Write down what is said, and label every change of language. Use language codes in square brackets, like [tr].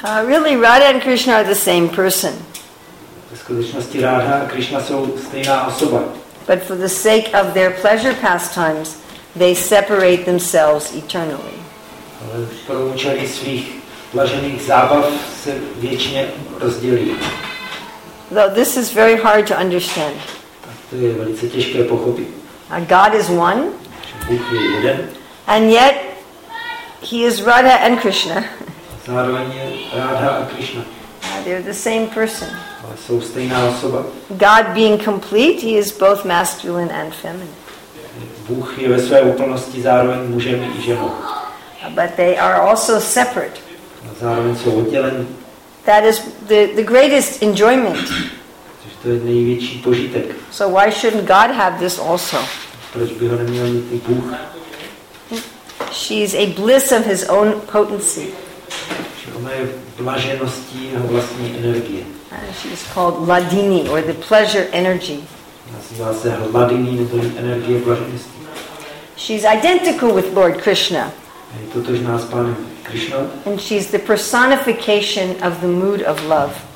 [en] Really, Radha and Krishna are the same person. [cs] Ve skutečnosti Radha a Krishna jsou stejná osoba. [en] But for the sake of their pleasure pastimes, they separate themselves eternally. [cs] Ale pro účely svých blažených zábav se věčně rozdělí. [en] Though this is very hard to understand. [cs] To je velice těžké pochopit. [en] God is one. [cs] Bůh je jeden. [en] And yet, he is Radha and Krishna. [cs] Zároveň je Radha a Krishna. [en] They're the same person. [cs] Ale jsou stejná osoba. [en] God being complete, he is both masculine and feminine. [cs] Bůh je ve své úplnosti zároveň mužem i ženou. [en] But they are also separate. [cs] A zároveň jsou oddělení. [en] That is the greatest enjoyment. [cs] To je největší požitek. [en] So why shouldn't God have this also? [cs] Proč by ho neměl mít i Bůh? [en] She is a bliss of his own potency. [cs] Ona je blažeností jeho vlastní energie. [en] She is called Ladini, or the pleasure energy. [cs] Nazývá se Ladini, nebo energie blaženosti. [en] She is identical with Lord Krishna. [cs] Je totožná s pánem. [en] And she's the personification of the mood of love.